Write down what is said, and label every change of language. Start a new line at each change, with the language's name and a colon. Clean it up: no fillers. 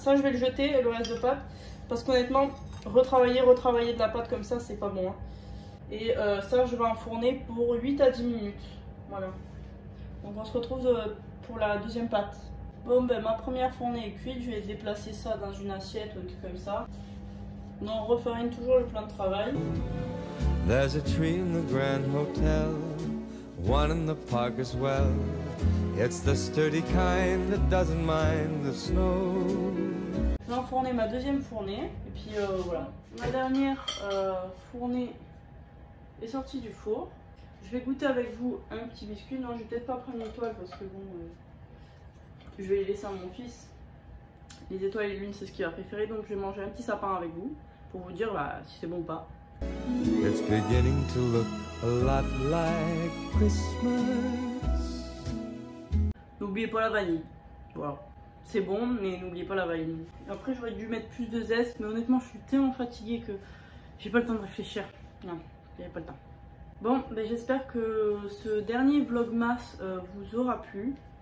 French: Ça, je vais le jeter et le reste de pâte parce qu'honnêtement, retravailler de la pâte comme ça, c'est pas bon. Hein. Et ça, je vais enfourner pour 8 à 10 minutes. Voilà. Donc on se retrouve pour la deuxième pâte. Bon ben ma première fournée est cuite, je vais déplacer ça dans une assiette ou un truc comme ça. Donc on refarine toujours le plan de travail.
English: There's a tree in the Grand Hotel, one in the park as well. It's the sturdy kind that doesn't mind the snow.
French: J'enfournais ma deuxième fournée et puis voilà. Ma dernière fournée est sortie du four. Je vais goûter avec vous un petit biscuit. Non, je vais peut-être pas prendre une étoile parce que bon, je vais les laisser à mon fils. Les étoiles et les lunes, c'est ce qu'il va préférer. Donc je vais manger un petit sapin avec vous pour vous dire bah, si c'est bon ou pas.
English: It's beginning to look a lot like Christmas.
French: N'oubliez pas la vanille. Voilà. C'est bon, mais n'oubliez pas la vanille. Après, j'aurais dû mettre plus de zeste, mais honnêtement, je suis tellement fatiguée que j'ai pas le temps de réfléchir. Non, j'ai pas le temps. Bon, ben, j'espère que ce dernier vlogmas vous aura plu.